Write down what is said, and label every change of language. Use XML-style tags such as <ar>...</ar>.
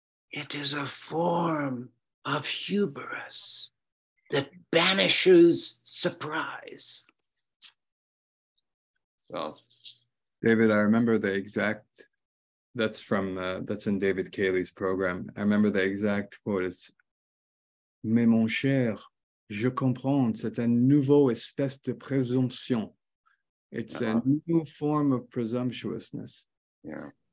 <en>It is a form of hubris that banishes surprise. So, David, I remember the exact, that's in David Cayley's program. I remember the exact quote. It's,</en> <fr>"Mais mon cher, je comprends, c'est un nouveau espèce de présomption."</fr> <en>It's a new form of presumptuousness. Yeah.</en>